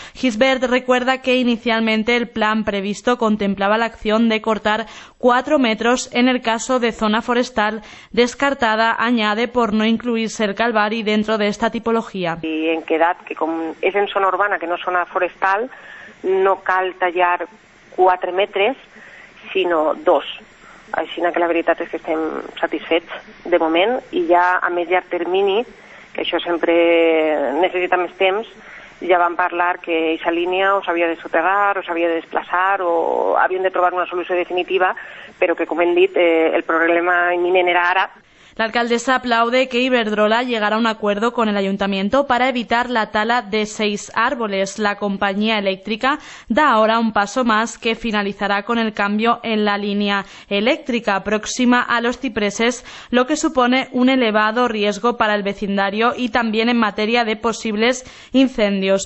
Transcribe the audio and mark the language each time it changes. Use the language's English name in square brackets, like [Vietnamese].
[Spanish] Gisbert recuerda que inicialmente el plan previsto contemplaba la acción de cortar 4 metros en el caso de zona forestal descartada, añade, por no incluirse el Calvari dentro de esta tipología. Y en quedad que como es en zona urbana, que no es zona forestal, [Catalan] no cal tallar [Spanish] 4 metros, sino 2. [Catalan] Així que la veritat és que estem satisfets de moment i ja a més llarg termini, això sempre necessita més temps, ja vam parlar que aquesta línia o s'havia de soterrar o s'havia de desplaçar o havien de trobar una solució definitiva, però que, com hem dit, el problema imminent era ara. [Spanish] L'alcaldessa aplaude que Iberdrola llegara a un acuerdo con el ayuntamiento para evitar la tala de 6 árboles. La compañía eléctrica da ahora un paso más que finalizará con el cambio en la línea eléctrica próxima a los cipreses, lo que supone un elevado riesgo para el vecindario y también en materia de posibles incendios.